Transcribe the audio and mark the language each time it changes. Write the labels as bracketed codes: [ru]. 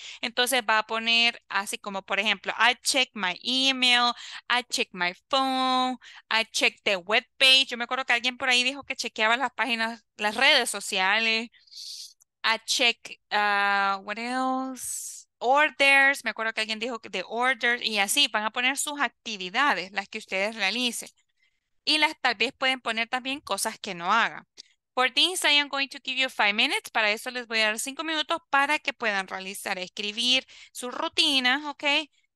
[es] Entonces va a poner así como, por ejemplo, [en] I check my email, I check my phone, I check the web page. [es] Yo me acuerdo que alguien por ahí dijo que chequeaba las páginas, las redes sociales. [en] I check, what else? Orders. [es] Me acuerdo que alguien dijo que [en] the orders. [es] Y así van a poner sus actividades, las que ustedes realicen. Y las tal vez pueden poner también cosas que no hagan. [en] For this, I am going to give you 5 minutes. [es] Para eso les voy a dar 5 minutos para que puedan realizar, escribir su rutina, ¿ok?